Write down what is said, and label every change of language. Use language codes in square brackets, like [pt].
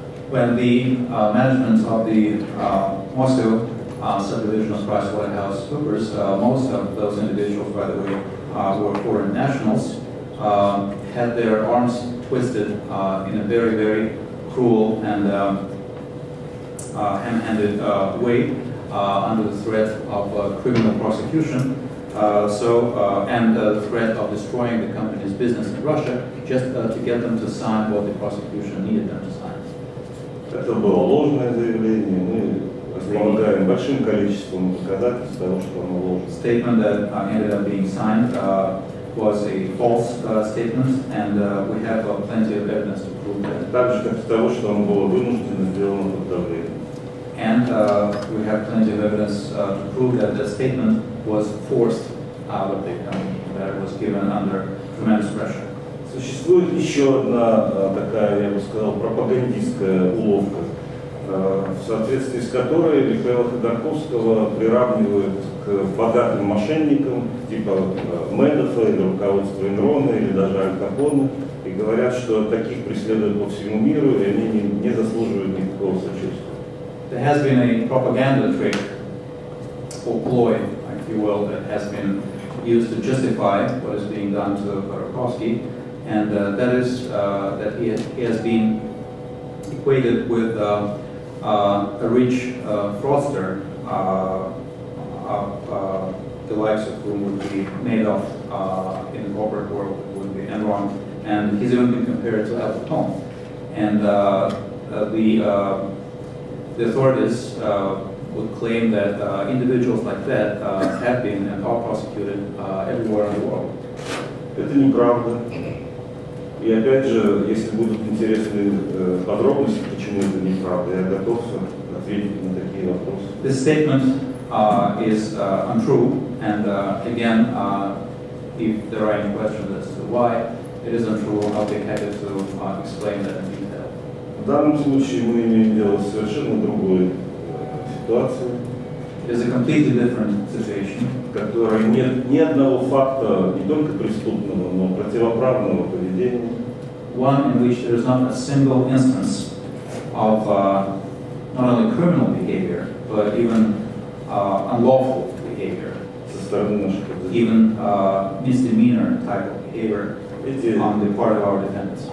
[en] When the management of the Moscow subdivision of PricewaterhouseCoopers, most of those individuals, by the way, were foreign nationals, had their arms twisted in a very, very cruel and ham-handed way under the threat of criminal prosecution, and the threat of destroying the company's business in Russia, just to get them to sign what the prosecution needed them to sign. [ru] Это было ложное заявление. Мы располагаем большим количеством доказательств того, что оно ложное. [en] Statement that ended up being signed was a false statement, and we have plenty of evidence to prove that. [ru] Также как того, что оно было вынуждено сделано под давлением. [en] And we have plenty of evidence to prove that the statement was forced out of the company, that it was given under tremendous pressure. [ru] Существует еще одна такая, я бы сказал, пропагандистская уловка, в соответствии с которой Михаила Ходорковского приравнивают к богатым мошенникам, типа Мэдоффа или руководства Энрона, или даже Аль-Капоне, и говорят, что таких преследуют по всему миру, и они не заслуживают никакого сочувствия. [en] There has been a propaganda trick, or ploy, if you will, that has been used to justify what is being done to Ходорковский, and that is that he has been equated with a rich fraudster of the likes of whom would be Madoff in the corporate world, would be Enron, and he's even been compared to Al Capone. And the authorities would claim that individuals like that have been and are prosecuted everywhere in the world. [ru] Это неправда. И опять же, если будут интересны подробности, почему это неправда, я готов ответить на такие вопросы. [en] This statement is untrue, and again, if there are any questions as to why it is untrue, I'll be happy to explain that in detail. [ru] В данном случае мы имеем дело с совершенно другой ситуацией. [en] It is a completely different situation. [ru] Которой нет ни одного факта, не только преступного, но противоправного поведения. [en] One in which there is not a single instance of not only criminal behavior, but even unlawful behavior, even misdemeanor type of behavior on the part of our defendants.